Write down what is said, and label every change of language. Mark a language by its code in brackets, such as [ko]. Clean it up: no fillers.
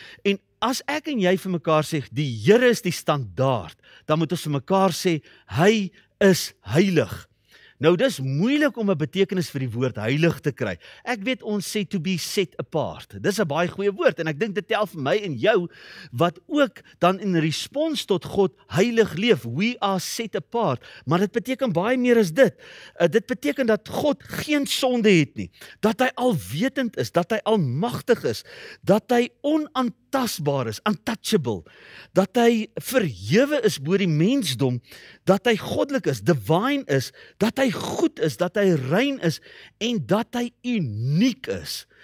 [af] En as ek en jy vir mekaar sê, die Here is die standaard, dan moet ons vir mekaar sê, hy is heilig. Nou, dis moeilik om 'n betekenis vir die woord heilig te kry. Ek weet ons sê [en] to be set apart. [af] Dis 'n baie goeie woord en ek dink dit tel vir my en jou wat ook dan in respons tot God heilig leef. [en] We are set apart. [af] Maar dit beteken baie meer as dit. Dit beteken dat God geen sonde het nie. Dat hy alwetend is, dat hy almagtig is, dat hy onaantastbaar is, untouchable. Dat hy verhewe is bo die mensdom, dat hy goddelik is, divine is, dat hy goed is, dat hy rein is en dat hy uniek is.